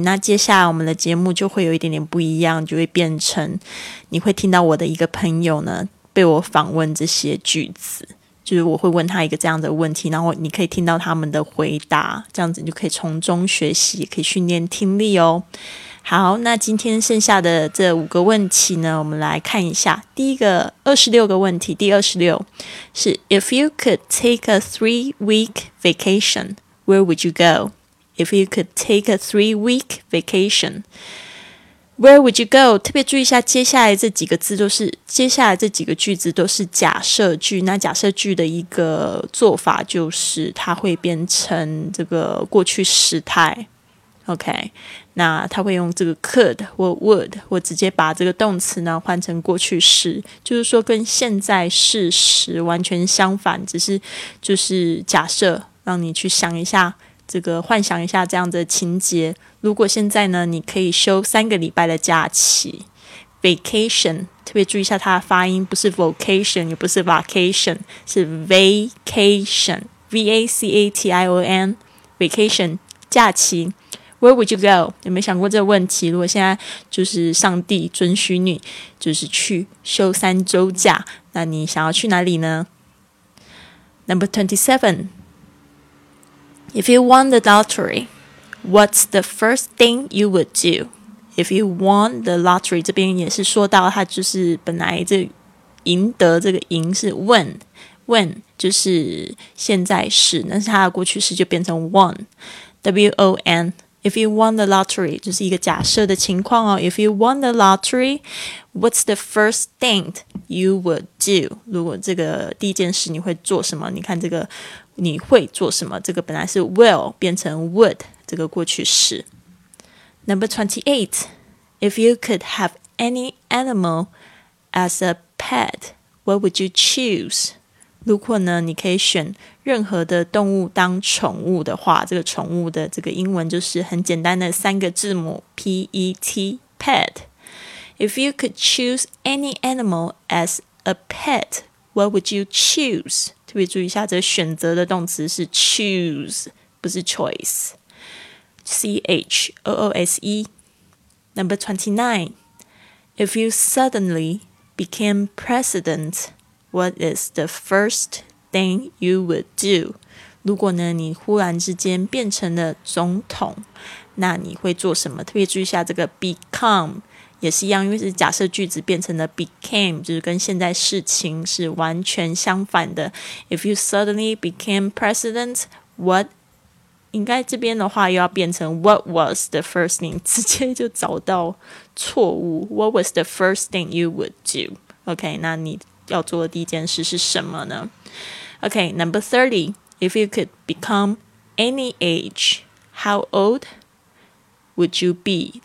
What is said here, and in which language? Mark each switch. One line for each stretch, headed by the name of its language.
Chinese: 那接下来我们的节目就会有一点点不一样，就会变成你会听到我的一个朋友呢被我访问这些句子，就是我会问他一个这样的问题，然后你可以听到他们的回答，这样子你就可以从中学习，也可以训练听力哦。好，那今天剩下的这五个问题呢，我们来看一下。第一个26个问题，第26是
English: If you could take a 3-week vacation, where would you go? If you could take a 3-week vacation, where would you go?
Chinese: 特别注意一下，接下来这几个字都是，接下来这几个句子都是假设句。那假设句的一个做法就是它会变成这个过去时态。 OK, 那它会用这个 could 或 would, 或直接把这个动词呢换成过去式，就是说跟现在事实完全相反，只是就是假设，让你去想一下。这个幻想一下这样的情节，如果现在呢你可以休三个礼拜的假期 vacation， 特别注意一下它的发音，不是 vocation 也不是 vacation， 是 vacation， v-a-c-a-t-i-o-n vacation 假期。
English: Where would you go？
Chinese: 有没有想过这个问题？如果现在就是上帝准许你就是去休三周假，那你想要去哪里呢？
English: Number 27,If you won the lottery, what's the first thing you would do? If you won the lottery,
Chinese: 这边也是说到它就是本来这赢得这个赢是 win, win 就是现在时，但是它的过去式就变成 won, W-O-N.
English: If you won the lottery,
Chinese: 就是一个假设的情况哦。
English: If you won the lottery, what's the first thing you would do?
Chinese: 如果这个第一件事你会做什么？你看这个你会做什么？这个本来是 will 变成 would 这个过去式。
English: Number 28, if you could have any animal as a pet, what would you choose?
Chinese: 如果呢你可以选任何的动物当宠物的话，这个宠物的这个英文就是很简单的三个字母 PET, pet.
English: If you could choose any animal as a pet, what would you choose?
Chinese: 特别注意一下，这个选择的动词是 choose, 不是 choice.
English: C-H-O-O-S-E. Number 29. If you suddenly became president,What is the first thing you would do?
Chinese: 如果呢你忽然之间变成了总统，那你会做什么？特别注意一下这个 become 也是一样，因为是假设句子变成了 became， 就是跟现在事情是完全相反的。
English: If you suddenly became president, what
Chinese: 应该这边的话又要变成
English: What was the first thing?
Chinese: 直接就找到错误。
English: What was the first thing you would do?
Chinese: OK, 那你要做的第一件事是什么呢？
English: OK, number 30. If you could become any age, how old would you be?